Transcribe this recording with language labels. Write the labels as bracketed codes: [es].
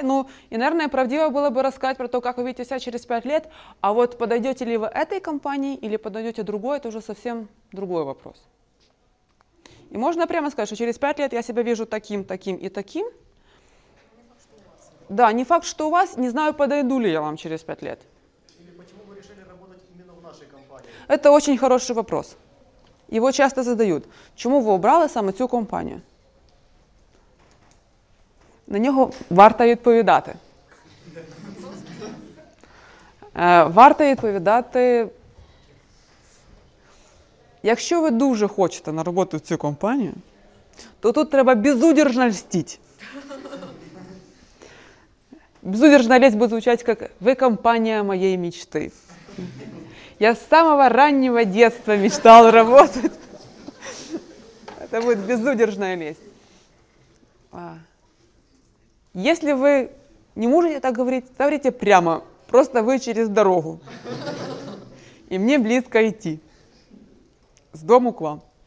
[ru] Ну, и, наверное, правдиво было бы рассказать про то, как вы видите себя через 5 лет, а вот подойдете ли вы этой компании или подойдете другой, это уже совсем другой вопрос. И можно прямо сказать, что через 5 лет я себя вижу таким, таким и таким. Да, не факт, что у вас, не знаю, подойду ли я вам через 5 лет. Или почему вы решили работать именно в нашей компании? Это очень хороший вопрос. Его часто задают. [uk] Чому ви обрали саме цю компанію? На нього варто відповідати. Варто відповідати. Якщо ви дуже хочете на роботу в цю компанію, то тут треба безудержно льстити. Безудержно лість буде звучати, як «Ви компанія [ru] моєї мечти». Я с самого раннего детства мечтал работать. Это будет безудержная лесть. Если вы не можете так говорить, говорите прямо. Просто вы через дорогу. И мне близко идти. С дому к вам.